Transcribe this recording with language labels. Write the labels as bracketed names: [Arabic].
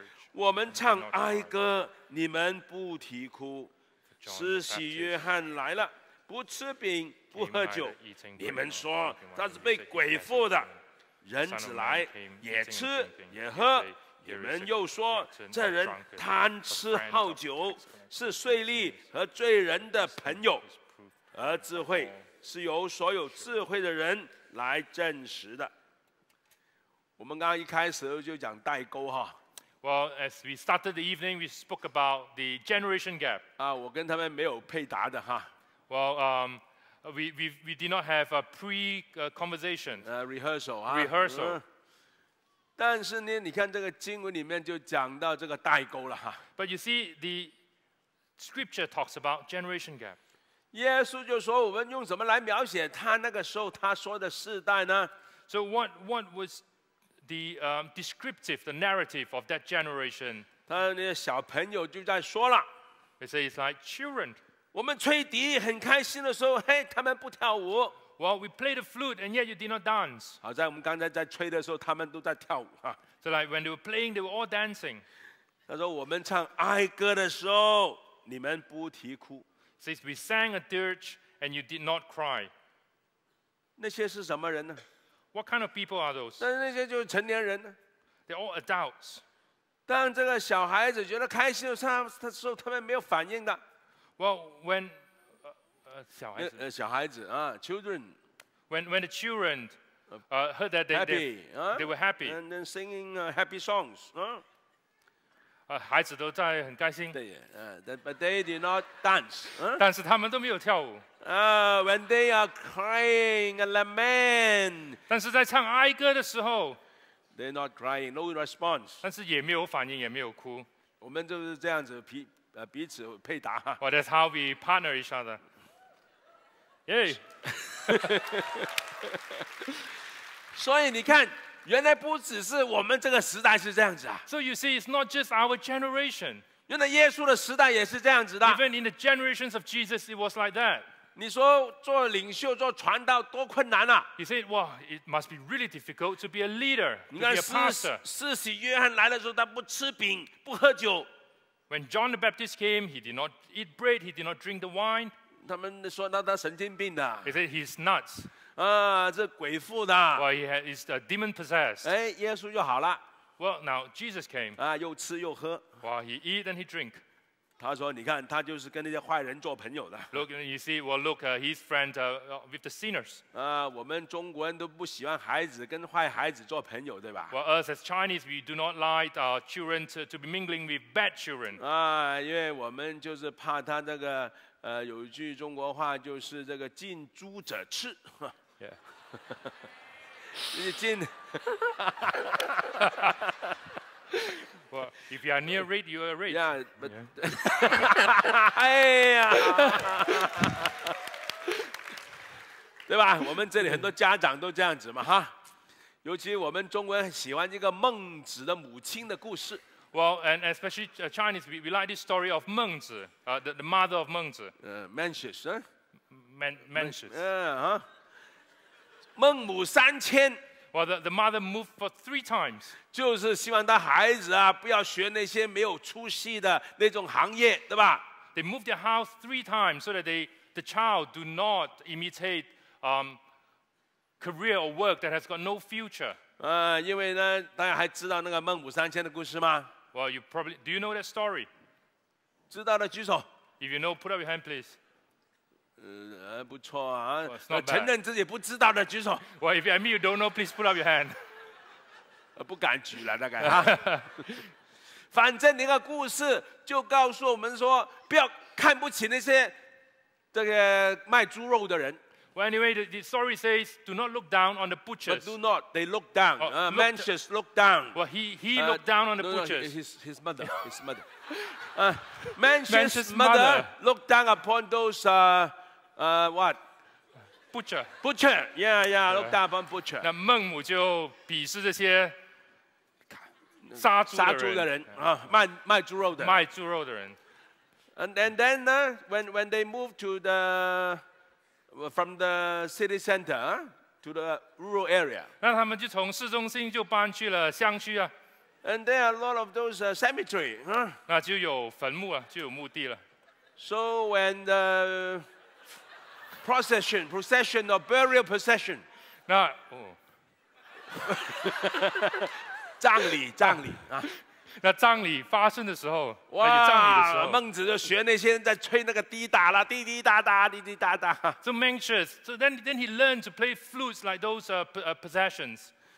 [Chinese] 我们唱哀歌你们不啼哭施洗约翰来了不吃饼不喝酒你们说他是被鬼附的人子来也吃也喝你们又说这人贪吃好酒是税吏和罪人的朋友而智慧是由所有智慧的人来证实的我们刚刚一开始就讲代沟哈 [English] Well, as we started the evening, we spoke about the generation gap. [Chinese] 我跟他们没有配答的哈 [English] Well, We did not have a pre-conversation. Rehearsal. Rehearsal. [Chinese] 但是呢，你看这个经文里面就讲到这个代沟了哈。 [English] But you see, the scripture talks about generation gap. [Chinese] 耶稣就说，我们用什么来描写他那个时候他说的世代呢 [English] ？So what was the descriptive, the narrative of that generation? [Chinese] 他那些小朋友就在说了。 [English] They say it's like children. [Chinese] 我们吹笛很开心的时候，嘿，他们不跳舞。 [English] Well, we play the flute, and yet you did not dance. [Chinese] 好在我们刚才在吹的时候，他们都在跳舞哈。 [English] So like when they were playing, they were all dancing. [Chinese] 他说我们唱哀歌的时候，你们不啼哭。 [English] Since we sang a dirge, and you did not cry. [Chinese] 那些是什么人呢 [English] ？What kind of people are those? [Chinese] 但那些就是成年人呢 [English] ？They're all adults. [Chinese] 当这个小孩子觉得开心的时候，他们没有反应的。 [English] Well, when [Chinese] 小孩子小孩子啊 ， [English] children. When the children heard that they were happy and then singing happy songs. [Chinese] 孩子都在很开心。对呀， [English] but they did not dance. [Chinese] 但是他们都没有跳舞。 [English] When they are crying and lament. [Chinese] 但是在唱哀歌的时候 [English] ，they're not crying, no response. [Chinese] 但是也没有反应，也没有哭。我们就是这样子彼此配搭。 [English] Well, that's how we partner each other. Yay! [Chinese] 所以你看，原来不只是我们这个时代是这样子啊。 [English] So you see, it's not just our generation. [Chinese] 原来耶稣的时代也是这样子的。 [English] Even in the generations of Jesus, it was like that. [Chinese] 你说做领袖、做传道多困难啊 [English] ？You said, "Wow, it must be really difficult to be a leader, to be a pastor." [Chinese] 施洗约翰来的时候，他不吃饼，不喝酒。 [English] When John the Baptist came, he did not eat bread, he did not drink the wine. [Chinese] 他们说那他神经病的。 [English] He said he's nuts. [Chinese] 这鬼附的。 [English] Well, he is a demon possessed. [Chinese] 哎，耶稣就好了。 [English] Well, now Jesus came. [Chinese] 又吃又喝。 [English] Well, he eat and he drink. [Chinese] 他说，你看，他就是跟那些坏人做朋友的。 [English] Look, you see, well, look, he's friends with the sinners. [Chinese] 我们中国人都不喜欢孩子跟坏孩子做朋友，对吧 [English] ？Well, us as Chinese, we do not like our children to be mingling with bad children. [Chinese] 因为我们就是怕他这个有一句中国话就是这个近朱者赤。 [English] Yeah. [Chinese] 你近。 [English] Well, if you are near red, you are red. Yeah, but... Yeah. [Chinese] 哎呀！对吧？我们这里很多家长都这样子嘛，哈。尤其我们中国人喜欢一个孟子的母亲的故事。 [English] Well, and especially Chinese, we like this story of 孟子, the mother of 孟子. Mencius, huh? Mencius. Yeah, huh? [Chinese] 孟母三迁。 [English] Well, the mother moved for three times. [Chinese] 就是希望她孩子啊，不要学那些没有出息的那种行业，对吧？ [English] They moved their house three times so that the child do not imitate career or work that has got no future. [Chinese] 因为呢，大家还知道那个孟母三迁的故事吗？ [English] Well, you probably do you know that story? [Chinese] 知道的举手。 [English] If you know, put up your hand, please. [Chinese] 不错啊 [English] well, [Chinese] 承认自己不知道的举手 [English] Well, if you admit you don't know, please put up your hand [Chinese] 不敢举了大概反正你的故事就告诉我们说不要看不起那些这个卖猪肉的人 [English] Well, anyway, the story says do not look down on the butchers But do not, they look down Mencius look down Well, he looked down on the butchers His mother, his mother Mencius' mother looked down upon those what? Butcher. Butcher. Yeah, yeah. Look down upon butcher. [Chinese] 那孟母就鄙视这些杀猪的人。杀猪的人啊，卖猪肉的。卖猪肉的人。 [English] And then呢 when they moved to the from the city center to the rural area. [Chinese] 那他们就从市中心就搬去了乡区啊。 [English] And there are a lot of those cemetery. [Chinese] 那就有坟墓啊，就有墓地了。 [English] So when the procession or burial procession. [Chinese] 那哦，葬礼啊。那葬礼发生的时候，哇，葬礼的时候，孟子就学那些人在吹那个滴答啦，滴滴答答，滴滴答答。 [English] So Mencius, so then he learned to play flutes like those possessions.